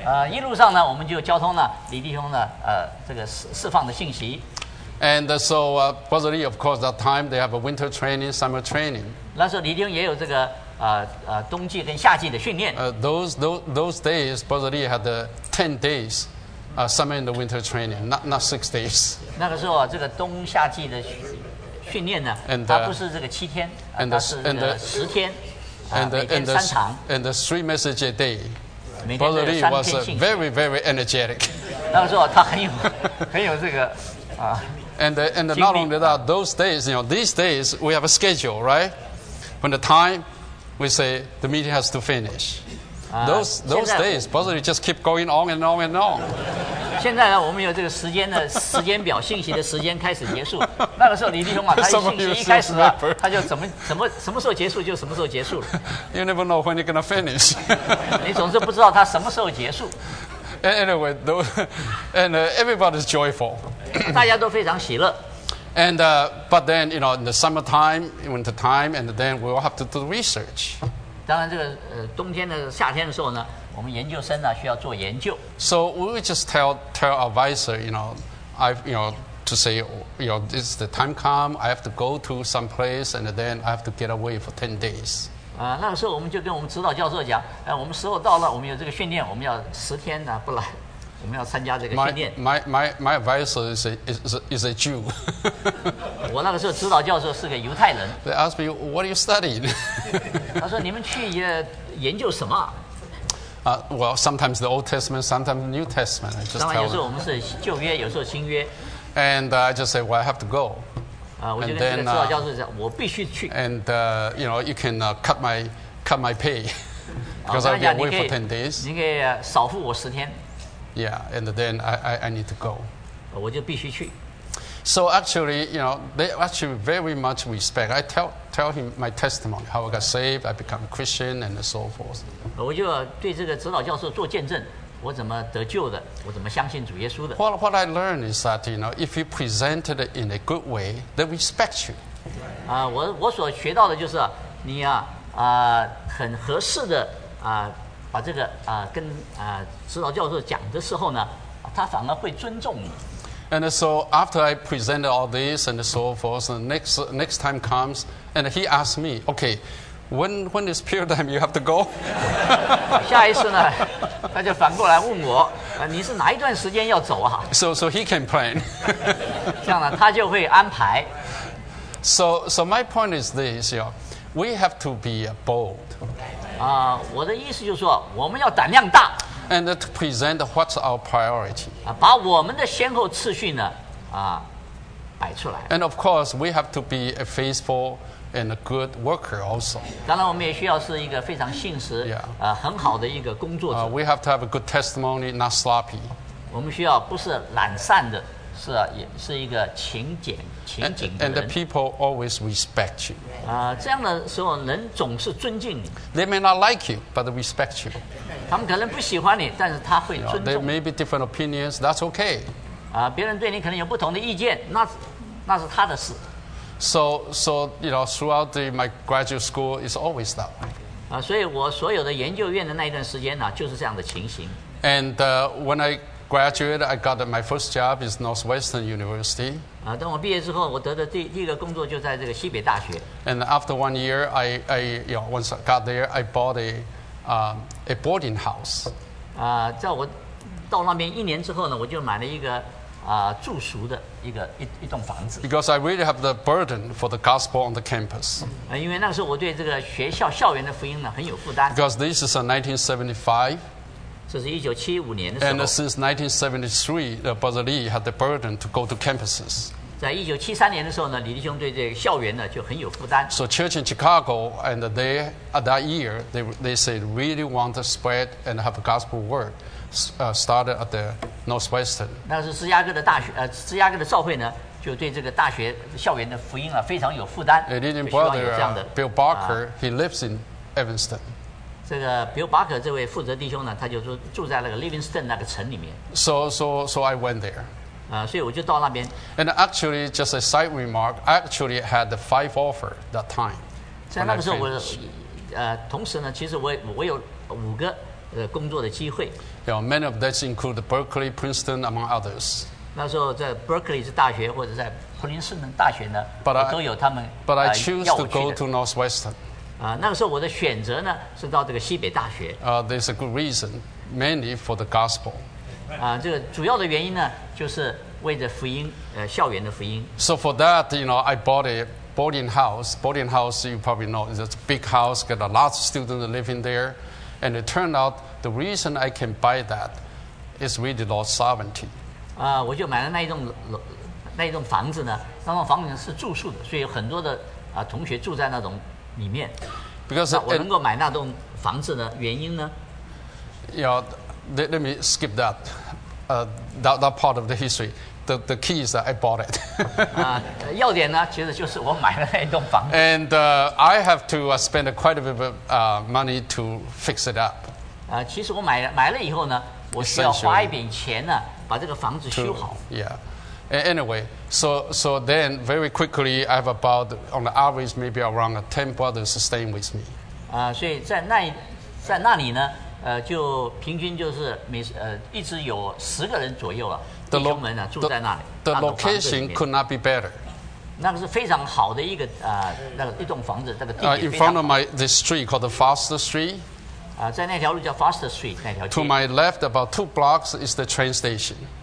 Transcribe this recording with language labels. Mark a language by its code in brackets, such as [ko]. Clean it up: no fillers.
[zh] 一路上呢，我们就交通了李弟兄呢，这个释放的信息。 [en] And so, Brother Lee, of course, that time they have a winter training, summer training. [zh] 那时候李弟兄也有这个冬季跟夏季的训练。 [en] Those days, Brother Lee had 10 days. Summer and the winter training, not 6 days. [zh] 那个时候这个冬夏季的训练呢，它不是这个七天，它是这个十天，每天三场。 [en] And three messages a day. Brother Lee was very, very energetic. [zh] 那个时候他很有这个 [en] And not only that, those days, you know, these days we have a schedule, right? When the time we say the meeting has to finish. Those days, possibly just keep going on and on and on. [zh] 现在呢，我们有这个时间的时间表，信息的时间开始结束。那个时候，李弟兄他信息一开始他就什么时候结束就什么时候结束了。 [en] You never know when you're gonna finish. [zh] 你总是不知道他什么时候结束。 [en] Anyway, everybody's joyful. [zh] 大家都非常喜乐。 [en] And but then, you know, in the summertime, in winter time, and then we will have to do the research. [zh] 当然这个冬天的夏天的时候呢，我们研究生呢需要做研究。 [en] So we will just tell our advisor, you know, to say, you know, this is the time come, I have to go to some place, and then I have to get away for 10 days. [zh] 那个时候我们就跟我们指导教授讲，我们时候到了，我们有这个训练，我们要十天呢不来。我们要参加这个训练。 [en] My advisor is a Jew. [zh] 我那个时候指导教授是个犹太人。 [en] They asked me, what are you studying? [zh] 他说你们去研究什么？ [en] Well, sometimes the Old Testament, sometimes the New Testament. I just tell them. [zh] 有时候我们是旧约，有时候新约。 [en] And I just say, well, I have to go. [zh] 我就跟这个指导教授讲，我必须去。 [en] And you know, you can cut my pay because I'll be away for 10 days. [zh] 你可以少付我十天。 [en] Yeah, and then I need to go. [zh] 我就必须去。 [en] So actually, you know, they actually very much respect. I tell him my testimony, how I got saved, I become a Christian, and so forth. [zh] 我就对这个指导教授做见证，我怎么得救的，我怎么相信主耶稣的。 [en] What I learned is that, you know, if you present it in a good way, they respect you. [zh] 我所学到的就是你很合适的把这个跟指导教授讲的时候呢，他反而会尊重你。 [en] And so after I presented all this and so forth, the next time comes, and he asked me, okay, when is period time you have to go? [zh] 下一次呢，他就反过来问我，你是哪一段时间要走啊？ [en] So he can plan. [zh] 这样呢，他就会安排。 [en] So my point is this, you know, we have to be bold. [zh] 我的意思就是说，我们要胆量大。 [en] And to present what's our priority. [zh] 把我们的先后次序呢，摆出来。 [en] And of course, we have to be a faithful and a good worker also. [zh] 当然，我们也需要是一个非常信实、很好的一个工作者。 [en] We have to have a good testimony, not sloppy. [zh] 我们需要不是懒散的，是一个勤谨的人。 [en] And the people always respect you. [zh] 这样的时候，人总是尊敬你。 [en] They may not like you, but they respect you. [zh] 他们可能不喜欢你，但是他会尊重你。 [en] There may be different opinions. That's okay. [zh] 别人对你可能有不同的意见，那是他的事。 [en] So you know, throughout my graduate school, it's always that way. [zh] 所以我所有的研究院的那一段时间呢，就是这样的情形。 [en] And when I graduated, I got my first job is Northwestern University. [zh] 等我毕业之后，我得的第一个工作就在这个西北大学。 [en] And after 1 year, I you know, once I got there, I bought a boarding house. [zh] 在我到那边一年之后呢，我就买了一个住宿的一栋房子。 [en] Because I really have the burden for the gospel on the campus. [zh] 因为那时候我对这个学校校园的福音呢很有负担。 [en] Because this is a 1975. [zh] 这是1975年的时候。 [en] And since 1973, Brother Lee had the burden to go to campuses. [zh] 在1973年的时候呢，李弟兄对这个校园呢就很有负担。 [en] So church in Chicago, and they at that year they said really want to spread and have a gospel work, started at the Northwestern. [zh] 那是芝加哥的大学，芝加哥的教会呢就对这个大学校园的福音啊非常有负担。 [en] A leading brother, Bill Barker, he lives in Evanston. [zh] 这个 Bill Barker 这位负责弟兄呢，他就住在那个 Livingston 那个城里面。 [en] So I went there. [zh] 所以我就到那边。 [en] And actually, just a side remark, I actually had the 5 offer that time. [zh] 在那个时候我同时呢，其实我有5个工作的机会。 [en] You know, many of those include Berkeley, Princeton, among others. [zh] 那时候在 Berkeley 大学或者在普林斯顿大学呢，都有他们。 [en] But I choose to go to Northwestern. [zh] 那个时候我的选择呢是到这个西北大学。 [en] There's a good reason, mainly for the gospel. [zh] 这个主要的原因呢，就是为着福音，校园的福音。 [en] So for that, you know, I bought a boarding house. Boarding house, you probably know, is a big house, got a lot of students living there. And it turned out the reason I can buy that is really the Lord's sovereignty. [zh] 我就买了那一栋房子呢，那栋房子是住宿的，所以有很多的同学住在那栋里面。 [en] Because [zh] 我能够买那栋房子的原因呢？ [en] Let me skip that. That part of the history. The key is that I bought it. [zh] 要点呢，其实就是我买了那栋房子。 [en] And I have to spend quite a bit of money to fix it up. [zh] 其实我买了以后呢，我需要花一笔钱呢，把这个房子修好。 [en] Yeah. Anyway, so then very quickly, I have about, on the average, maybe around 10 brothers staying with me. [zh] 所以在那里呢，就平均就是一直有十个人左右啊，弟兄们啊住在那里。 [en] The location could not be better. [zh] 那个是非常好的一个一栋房子，这个地点非常好。 [en] In front of my this street called the Fast Street. [zh] 在那条路叫 Fast Street 那条街。 [en] To my left, about two blocks is the train station.